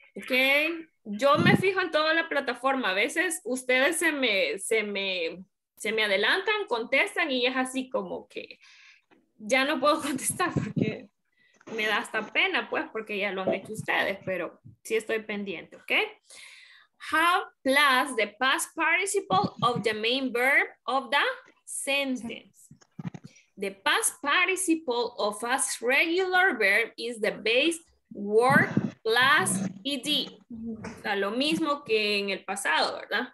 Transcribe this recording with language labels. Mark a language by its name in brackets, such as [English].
[Spanish] Ok, yo me fijo en toda la plataforma. A veces ustedes se me adelantan, contestan, y es así como que ya no puedo contestar porque me da hasta pena, pues, porque ya lo han hecho ustedes, pero sí estoy pendiente, ¿ok? [English] How plus the past participle of the main verb of the sentence. The past participle of a regular verb is the base word plus ed. [Spanish] O sea, lo mismo que en el pasado, ¿verdad?